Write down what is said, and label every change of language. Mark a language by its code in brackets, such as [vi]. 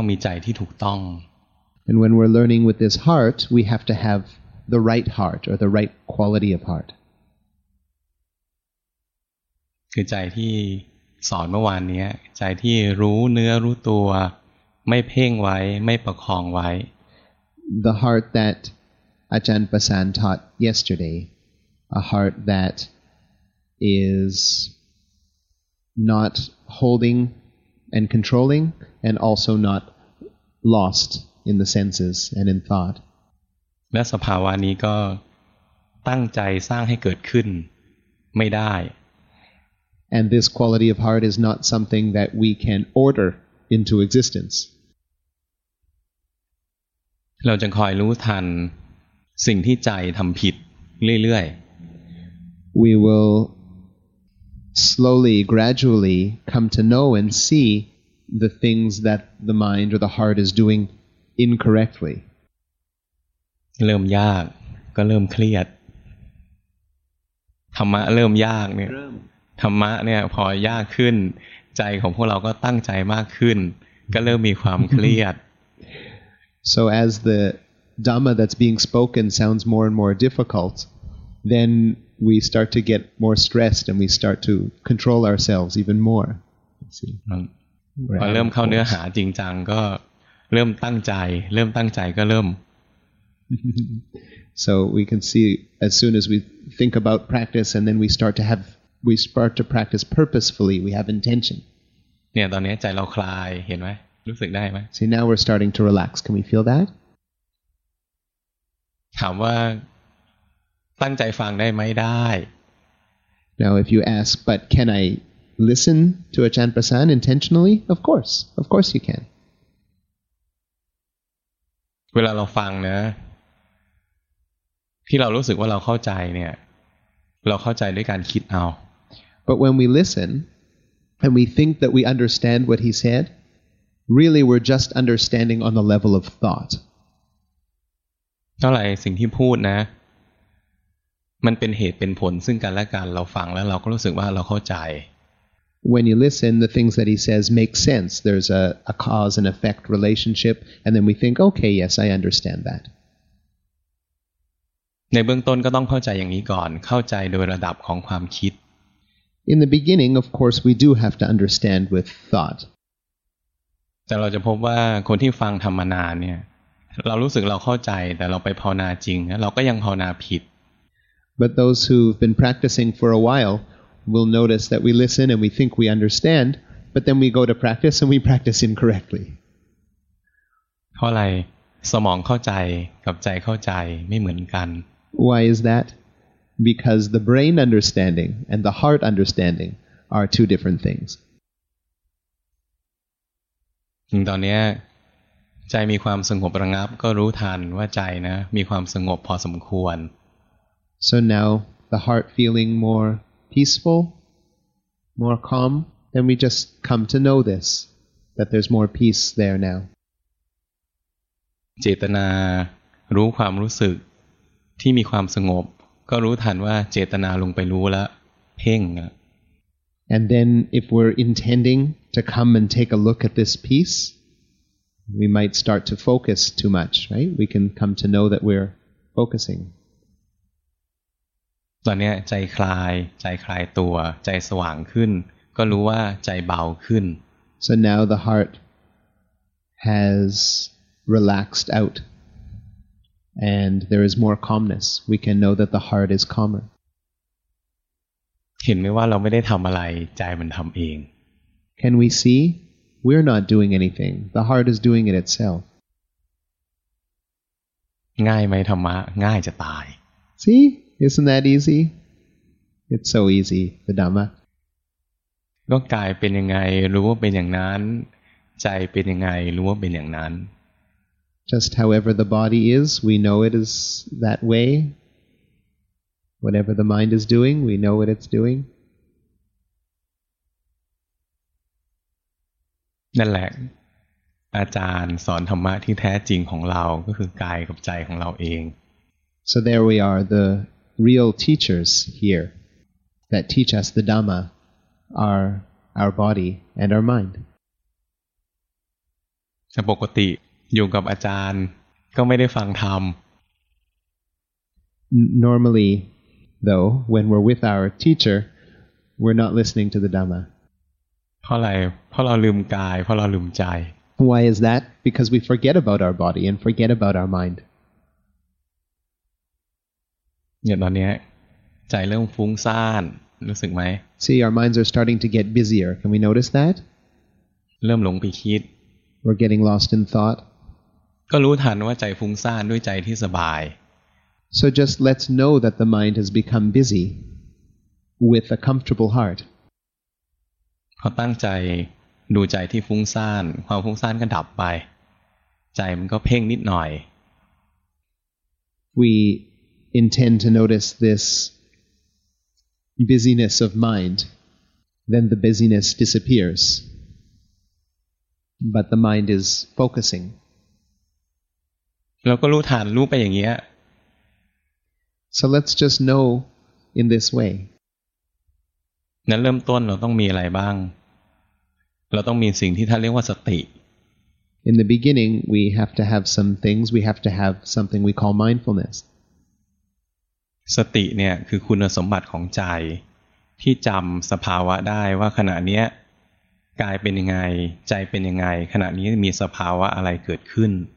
[en] And when we're learning with this heart, we have to have the right heart or the right quality of heart. [th] คือใจที่สอนเมื่อวานนี้ใจที่รู้เนื้อรู้ตัวไม่เพ่งไว้ไม่ประคองไว้ [en] The heart that Ajahn Basan taught yesterday, a heart that is not holding and controlling and also not lostin the senses and in thought. [th] และสภาวะนี้ก็ตั้งใจสร้างให้เกิดขึ้นไม่ได้ [en] And this quality of heart is not something that we can order into existence. [th] เราจะคอยรู้ทันสิ่งที่ใจทำผิดเรื่อย [en] ๆ We will slowly, gradually come to know and see the things that the mind or the heart is doingincorrectly [th] เริ่มยากก็เริ่มเครียดธรรมะเริ่มยากเนี่ยธรรมะเนี่ยพอยากขึ้นใจของพวกเราก็ตั้งใจมากขึ้นก็เริ่มมีความเครียด [en] So as the Dhamma that's being spoken sounds more and more difficult then we start to get more stressed and we start to control ourselves even more [th] พอเริ่มเข้าเนื้อหาจริงจังก็เริ่มตั้งใจเริ่มตั้งใจก็เริ่ม [en] So we can see as soon as we think about practice and then we start to practice purposefully we have intention [th] เนี่ยตอนนี้ใจเราคลายเห็นไหมรู้สึกได้ไหม [en] See now we're starting to relax can we feel that [th] ถามว่าตั้งใจฟังได้ไหมได้ [en] Now if you ask but can I listen to Ajahn Basan intentionally of course you can [th] เวลาเราฟังนะที่เรารู้สึกว่าเราเข้าใจเนี่ยเราเข้าใจด้วยการคิดเอา [en] But when we listen and we think that we understand what he said really we're just understanding on the level of thought [th] เท่าไหร่สิ่งที่พูดนะมันเป็นเหตุเป็นผลซึ่งกันและกันเราฟังแล้วเราก็รู้สึกว่าเราเข้าใจ. [en] When you listen, the things that he says make sense. There's a cause and effect relationship, and then we think, okay, yes, I understand that. [th] ในเบื้องต้นก็ต้องเข้าใจอย่างนี้ก่อนเข้าใจโดยระดับของความคิด [en] In the beginning, of course, we do have to understand with thought. [th] แต่เราจะพบว่าคนที่ฟังธรรมนาเนี่ยเรารู้สึกเราเข้าใจแต่เราไปภาวนาจริงเราก็ยังภาวนาผิด [en] But those who've been practicing for a whileWe'll notice that we listen and we think we understand, but then we go to practice and we practice incorrectly. [th] พราะอะไรสมองเข้าใจกับใจเข้าใจไม่เหมือนกัน [en] Why is that? Because the brain understanding and the heart understanding are two different things. [th] ตอนนี้ใจมีความสงบระงับก็รู้ทันว่าใจนะมีความสงบพอสมควร [en] So now the heart feeling more peaceful, more calm, then we just come to know this, that there's more peace there now. [th] เจตนารู้ความรู้สึกที่มีความสงบก็รู้ทันว่าเจตนาลงไปรู้แล้วเพ่ง [en] And then if we're intending to come and take a look at this piece, we might start to focus too much, right? We can come to know that we're focusing. [th] ตอนนี้ใจคลายตัวใจสว่างขึ้นก็รู้ว่าใจเบาขึ้น [en] So now the heart hasrelaxed out and there is more calmness we can know that the heart is calmer [th] เห็นไหมว่าเราไม่ได้ทำอะไรใจมันทำเอง [en] Can we see we're not doing anything the heart is doing it itself [th] ง่ายไหมธรรมะง่ายจะตาย [en] See isn't that easy it's so easy the Dhamma [th] ร่างกายเป็นยังไงรู้ว่าเป็นอย่างนั้นใจเป็นยังไงรู้ว่าเป็นอย่างนั้น [en] Just however the body is, we know it is that way. Whatever the mind is doing, we know what it's doing. [th] นั่นแหละอาจารย์สอนธรรมะที่แท้จริงของเราก็คือกายกับใจของเราเอง [en] So there we are, the real teachers here that teach us the Dhamma are our body and our mind. [th] ปกติอยู่กับอาจารย์ก็ไม่ได้ฟังธรรม [en] Normally though when we're with our teacher we're not listening to the Dhamma [th] เพราะอะไรเพราะเราลืมกายเพราะเราลืมใจ [en] Why is that? Because we forget about our body and forget about our mind [th] เนี่ยตอนนี้ใจเริ่มฟุ้งซ่านรู้สึกไหม [en] See our minds are starting to get busier can we notice that? [th] เริ่มหลงไปคิด [en] We're getting lost in thought. [th] ก็รู้ทันว่าใจฟุ้งซ่านด้วยใจที่สบาย [en] So just let's know that the mind has become busy with a comfortable heart. [th] พอตั้งใจดูใจที่ฟุ้งซ่านความฟุ้งซ่านก็ดับไปใจมันก็เพ่งนิดหน่อย [en] We intend to notice this busyness of mind, then the busyness disappears. But the mind is focusing. [th] เราก็รู้ทันรู้ไปอย่างเงี้ย [en] So let's just know in this way. [th] นั้นเริ่มต้นเราต้องมีอะไรบ้างเราต้องมีสิ่งที่ท่านเรียกว่าสติ [en] In the beginning, we have to have some things. We have to have something we call mindfulness. [th] สติเนี่ยคือคุณสมบัติของใจที่จำสภาวะได้ว่าขณะเนี้ยกายเป็นยังไงใจเป็นยังไงขณะนี้มีสภาวะอะไรเกิดขึ้น